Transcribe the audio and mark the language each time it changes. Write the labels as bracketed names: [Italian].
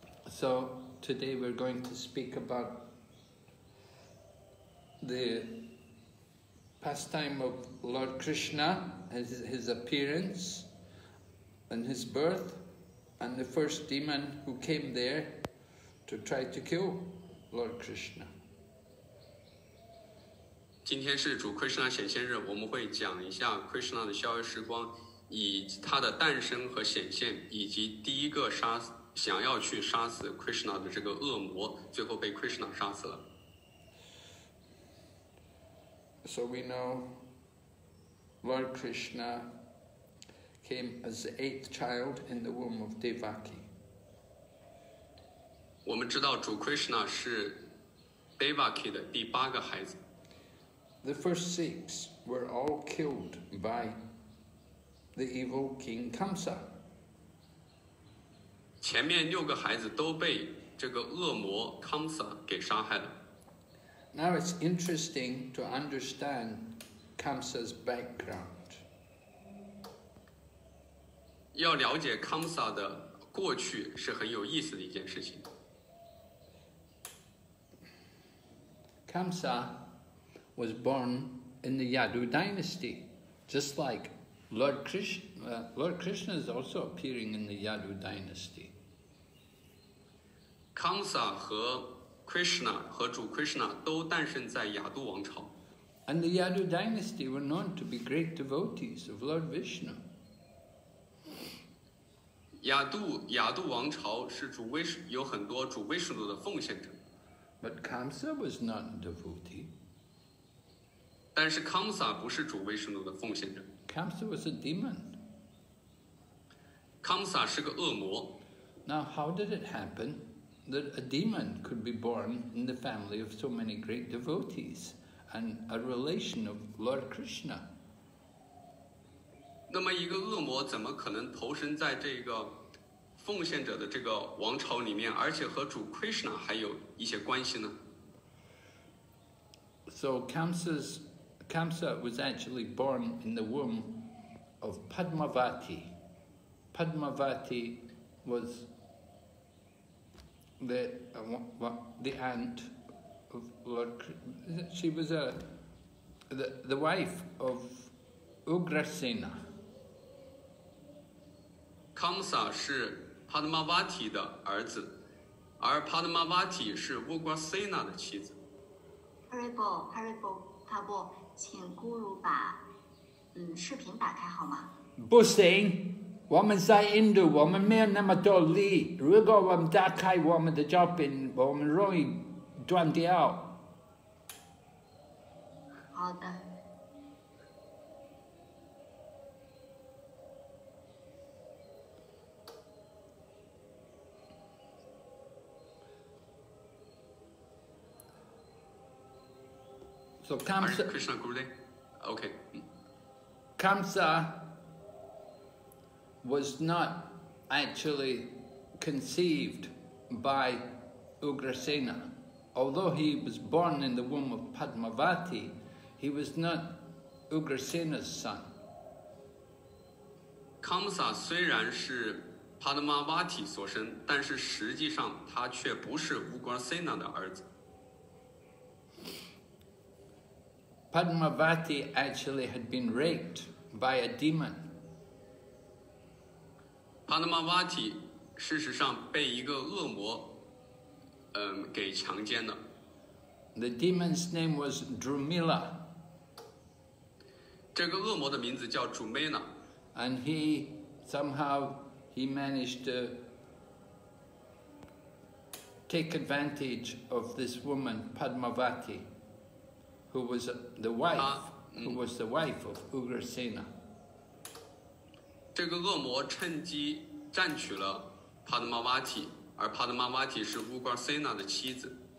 [English] So today we're going to speak about the pastime of Lord Krishna, his appearance and his birth, and the first demon who came there to try to kill Lord Krishna. [Chinese] 今天是主 Krishna 显现日，我们会讲一下 Krishna 的逍遥时光，以他的诞生和显现，以及第一个杀死想要去杀死 Krishna 的这个恶魔，最后被 Krishna 杀死了。 [English] So we know Lord Krishna came as the eighth child in the womb of Devaki. [Chinese] 我们知道主 Krishna 是 Devaki 的第八个孩子。 [English] The first six were all killed by the evil King Kamsa. [Chinese] 前面六个孩子都被这个恶魔 Kamsa 给杀害了。 [English] Now it's interesting to understand Kamsa's background. [Chinese] 要了解 Kamsa 的过去是很有意思的一件事情。 [English] Kamsa was born in the Yadu dynasty, just like Lord Krishna. Lord Krishna is also appearing in the Yadu dynasty. [Chinese] Kamsa 和 Krishna 和主 Krishna 都诞生在亚都王朝。 [English] And the Yadu dynasty were known to be great devotees of Lord Vishnu. [Chinese] 亚都王朝是主 Vishnu 有很多主 Vishnu 的奉献者。 [English] But Kamsa was not a devotee. [Chinese] 但是康萨不是主威士奴的奉献者。 [English] Kamsa was a demon. [Chinese] 康萨是个恶魔。 [English] Now, how did it happen that a demon could be born in the family of so many great devotees and a relation of Lord Krishna? [Chinese] 那么一个恶魔怎么可能投身在这个奉献者的这个王朝里面，而且和主 Krishna 还有一些关系呢？ [English] So Kamsa was actually born in the womb of Padmavati. Padmavati was the aunt of Lord Krishna. She was the wife of Ugrasena. [Chinese] Kamsa 是 Padmavati 的儿子，而 Padmavati 是 Ugrasena 的妻子。 Haribo，Haribo，Pabo， 请咕噜把视频打开好吗？不行，我们在印度，我们没有那么多力。如果我们打开我们的照片，我们容易断掉。好的。 [English] So Kamsa, Krishna Gurudev, okay. Kamsa was not actually conceived by Ugrasena. Although he was born in the womb of Padmavati, he was not Ugrasena's son. [Chinese] Kamsa 虽然是 Padmavati 所生，但是实际上他却不是 Ugrasena 的儿子。 [English] Padmavati actually had been raped by a demon. [Chinese] Padmavati 事实上被一个恶魔给强奸了。 [English] The demon's name was Drumila. [Chinese] 这个恶魔的名字叫 Drumila. [English] And he somehow he managed to take advantage of this woman, Padmavati. Who was the wife? Who was the wife of Ugrasena? [Chinese] 这个恶魔趁机占取了 Padmavati, 而 Padmavati 是 Ugrasena 的妻子。